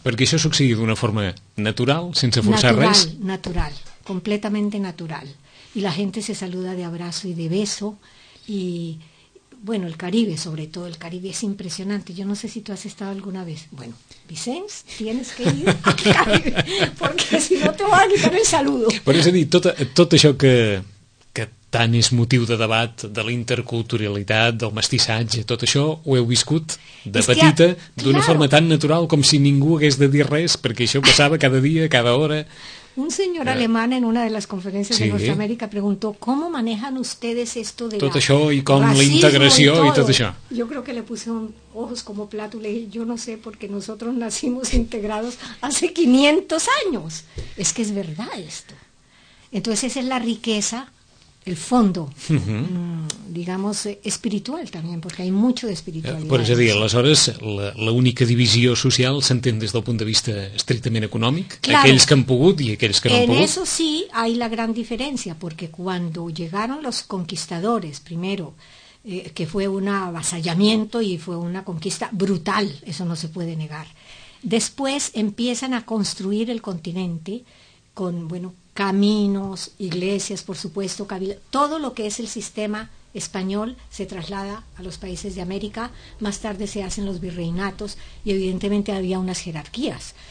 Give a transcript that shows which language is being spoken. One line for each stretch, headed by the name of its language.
Catalan: Perquè això succeï d'una forma natural, sense forçar
Spanish: natural,
Catalan: res.
Spanish: Natural, completamente natural. Y la gente se saluda de abrazo y de beso. Y bueno, el Caribe, sobre todo, el Caribe es impresionante. Yo no sé si tú has estado alguna vez. Bueno, Vicenç, tienes que ir al Caribe, porque si no te voy a quitar el saludo.
Catalan: Però és a dir, tot això que tant és motiu de debat, de la interculturalitat, del mestissatge, tot això ho heu viscut de es petita, d'una claro. Forma tan natural com si ningú hagués de dir res, perquè això passava cada dia, cada hora.
Spanish: Un señor alemán en una de las conferencias de Norteamérica preguntó, ¿cómo manejan ustedes esto de la integración y todo eso? Yo creo que le puse ojos como plato y le dije, yo no sé, porque nosotros nacimos integrados hace 500 años. Es que es verdad esto. Entonces esa es la riqueza, el fondo, digamos, espiritual también, porque hay mucho de espiritualidad. Por eso digo,
Catalan: aleshores, la única divisió social s'entén des del punt de vista estrictament econòmic, claro, aquells que han pogut i aquells que no han pogut.
Spanish: En eso sí hay la gran diferencia, porque cuando llegaron los conquistadores, primero, que fue un avasallamiento y fue una conquista brutal, eso no se puede negar. Después empiezan a construir el continente con, bueno, caminos, iglesias, por supuesto, todo lo que es el sistema español se traslada a los países de América, más tarde se hacen los virreinatos y evidentemente había unas jerarquías.